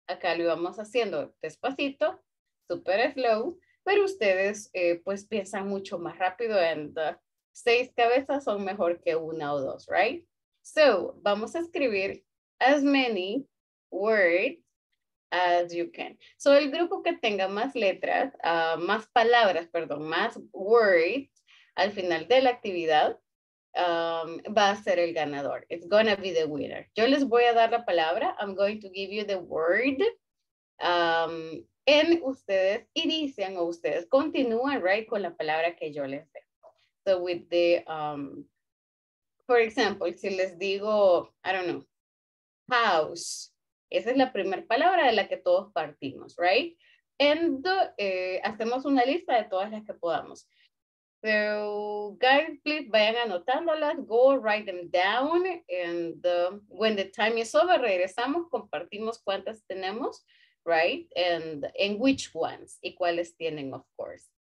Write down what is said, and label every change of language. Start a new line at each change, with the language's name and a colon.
Spanish: Acá lo vamos haciendo despacito,
English: super slow,
Spanish: pero ustedes pues piensan mucho más rápido and 6 cabezas son mejor que 1 o 2, right?
English: So,
Spanish: vamos a escribir
English: as many words as you can.
Spanish: So, el grupo que tenga más letras, más palabras, perdón, más words al final de la actividad, va a ser el ganador.
English: It's gonna be the winner.
Spanish: Yo les voy a dar la palabra.
English: I'm going to give you the word.
Spanish: And ustedes inician o ustedes continúan, right, con la palabra que yo les dé.
English: So with the, for example,
Spanish: si les digo,
English: I don't know, house.
Spanish: Esa es la primera palabra de la que todos partimos, right? And hacemos una lista de todas las que podamos.
English: So, guys, please,
Spanish: vayan anotándolas,
English: go write them down, and when the time is over,
Spanish: regresamos, compartimos cuántas tenemos,
English: right, and which ones,
Spanish: y cuáles tienen,
English: of course.